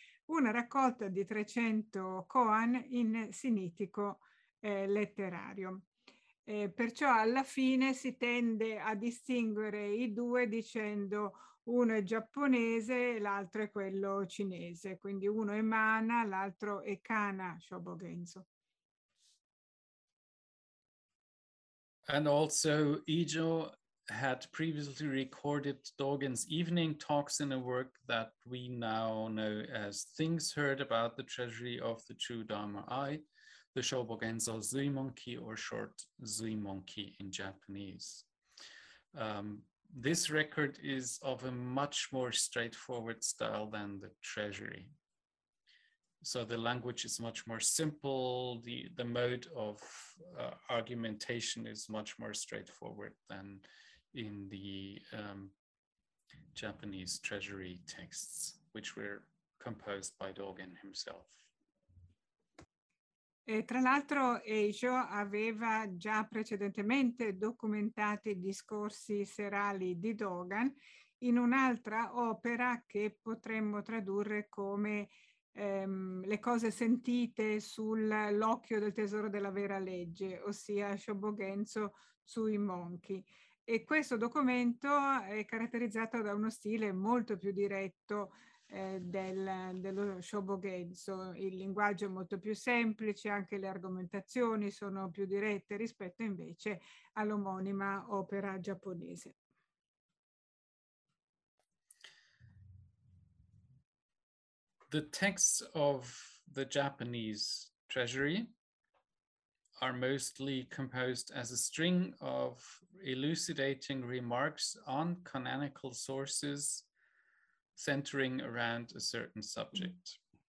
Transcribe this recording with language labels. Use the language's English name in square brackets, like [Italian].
[Italian] Una raccolta di 300 koan in sinitico letterario. Perciò alla fine si tende a distinguere i due dicendo uno è giapponese e l'altro è quello cinese, quindi uno è Mana, l'altro è Kana Shobogenzo. [English] And also Ijo had previously recorded Dogen's evening talks in a work that we now know as Things Heard About the Treasury of the True Dharma Eye, the Shobogenzo Zuimonki, or short Zuimonki in Japanese. This record is of a much more straightforward style than the treasury. So the language is much more simple, the mode of argumentation is much more straightforward than in the Japanese treasury texts, which were composed by Dogen himself. [Italian] E tra l'altro Eijo aveva già precedentemente documentato i discorsi serali di Dogen in un'altra opera che potremmo tradurre come le cose sentite sull'occhio del tesoro della vera legge, ossia Shobogenzo sui monchi. E questo documento è caratterizzato da uno stile molto più diretto dello Shobogenzo. Il linguaggio è molto più semplice, anche le argomentazioni sono più dirette rispetto invece all'omonima opera giapponese. [English] The texts of the Japanese treasury are mostly composed as a string of elucidating remarks on canonical sources centering around a certain subject.